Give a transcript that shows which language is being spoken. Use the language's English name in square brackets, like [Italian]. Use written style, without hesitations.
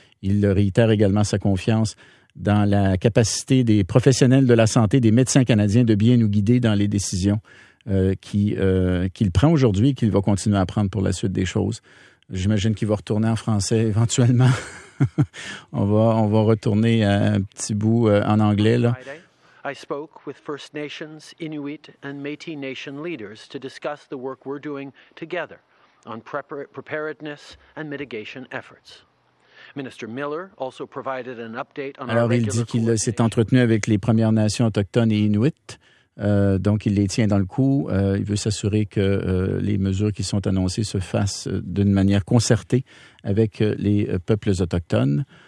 [French] Il réitère également sa confiance dans la capacité des professionnels de la santé, des médecins canadiens, de bien nous guider dans les décisions qu'il prend aujourd'hui et qu'il va continuer à prendre pour la suite des choses. J'imagine qu'il va retourner en français éventuellement. On va retourner à un petit bout en anglais là. [English] I spoke with First Nations, Inuit and Métis Nation leaders to discuss the work we're doing together on preparedness and mitigation efforts. [French] Alors, il dit qu'il s'est entretenu avec les Premières Nations autochtones et inuites. Donc, il les tient dans le coup. Il veut s'assurer que les mesures qui sont annoncées se fassent d'une manière concertée avec les peuples autochtones.